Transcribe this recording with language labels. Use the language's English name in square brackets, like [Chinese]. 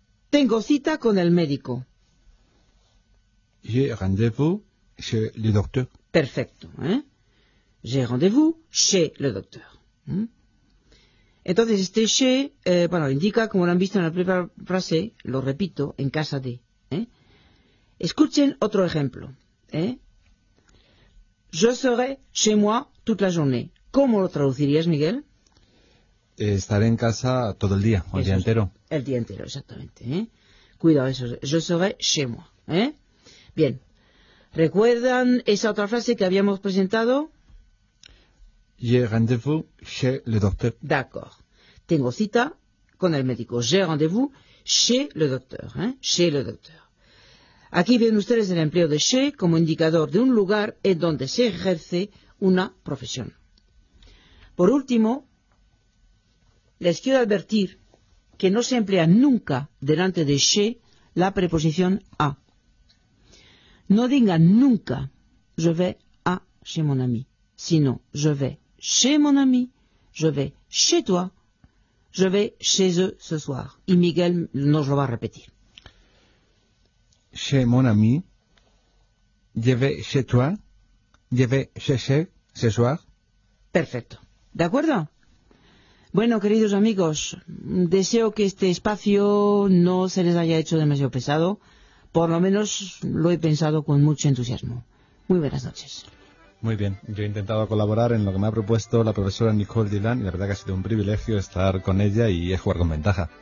[Spanish] Tengo cita con el médico. [French] J'ai rendez-vous chez le docteur. [Spanish] Perfecto. ¿Eh? [French] J'ai rendez-vous chez le docteur. [Spanish] Entonces, este chez, bueno, indica, como lo han visto en la primera frase, lo repito, en casa de. ¿Eh? Escuchen otro ejemplo. ¿Eh? [French] Je serai chez moi toute la journée. [Spanish] ¿Cómo lo traducirías, Miguel? Estaré en casa todo el día, o el día entero. El día entero, exactamente. ¿Eh? Cuidado, eso. [French] Je serai chez moi. [Spanish] ¿Eh? Bien. ¿Recuerdan esa otra frase que habíamos presentado? [French] J'ai rendez-vous chez le docteur. D'accord. [Spanish] Tengo cita con el médico. [French] J'ai rendez-vous chez le docteur. ¿Eh? Chez le docteur. [Spanish] Aquí ven ustedes el empleo de chez como indicador de un lugar en donde se ejerce una profesión. Por último, les quiero advertir que no se emplea nunca delante de chez la preposición a. No digan nunca [French] je vais à chez mon ami, [Spanish] sino [French] je vais chez mon ami, je vais chez toi, je vais chez eux ce soir. [Spanish] Y Miguel nos lo va a repetir. [French] Chez mon ami, je vais chez toi, je vais chez chez ce soir. [Spanish] Perfecto. ¿De acuerdo? Bueno, queridos amigos, deseo que este espacio no se les haya hecho demasiado pesado. Por lo menos lo he pensado con mucho entusiasmo. Muy buenas noches. Muy bien. Yo he intentado colaborar en lo que me ha propuesto la profesora Nicole Dylan y la verdad que ha sido un privilegio estar con ella y jugar con ventaja.